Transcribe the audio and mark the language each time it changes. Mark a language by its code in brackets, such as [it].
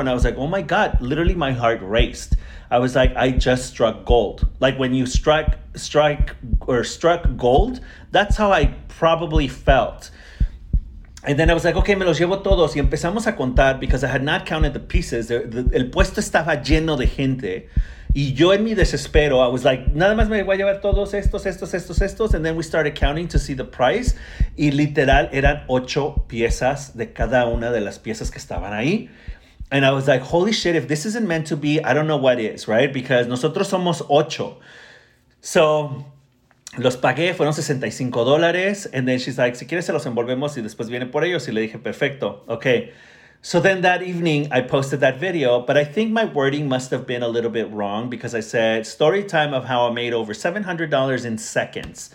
[en] And I was like, oh my God, literally my heart raced. I was like, I just struck gold. Like when you struck gold, that's how I probably felt. And then I was like, okay, [es] me los llevo todos. Y empezamos a contar [en] because I had not counted the pieces. [es] El puesto estaba lleno de gente. Y yo en mi desespero, [en] I was like, [es] nada más me voy a llevar todos estos, estos, estos, estos. [en] And then we started counting to see the price. [es] Y literal, eran 8 piezas de cada una de las piezas que estaban ahí. [en] And I was like, holy shit, if this isn't meant to be, I don't know what is, right? [es] Because nosotros somos 8. So los pagué, fueron $65. [en] And then she's like, [es] si quieres se los envolvemos y después viene por ellos. Y le dije, perfecto, okay. [en] So then that evening, I posted that video. But I think my wording must have been a little bit wrong because I said, story time of how I made over $700 in seconds.